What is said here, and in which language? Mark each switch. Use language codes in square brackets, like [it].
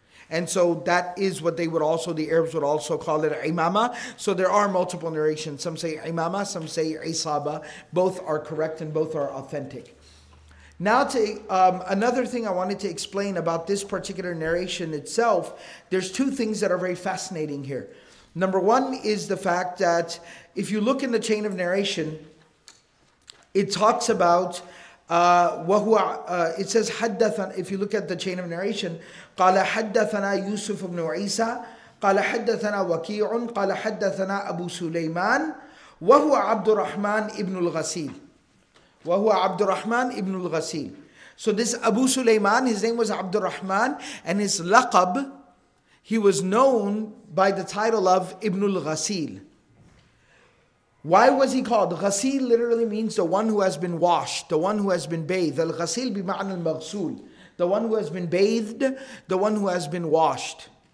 [en] And so that is what they would also, the Arabs would also call it imama. So there are multiple narrations. Some say imama, some say isaba. Both are correct and both are authentic. Now to another thing I wanted to explain about this particular narration itself, there's two things that are very fascinating here. Number one is the fact that if you look in the chain of narration, it talks about it says [ar] حدثنا, [en] if you look at the chain of narration, [ar] قال حدثنا يوسف بن عيسى قال حدثنا وكيع قال حدثنا أبو سليمان وهو عبد الرحمن ابن الغسيل [en] وهو عبد الرحمن ابن الغسيل. So this Abu Sulaiman, his name was Abdul Rahman, and his laqab, he was known by the title of Ibn al-Ghasil. Why was he called? Ghasil literally means the one who has been washed, the one who has been bathed. [ar] Al-Ghasil bima'an al-Maghsul. [en] The one who has been bathed, the one who has been washed.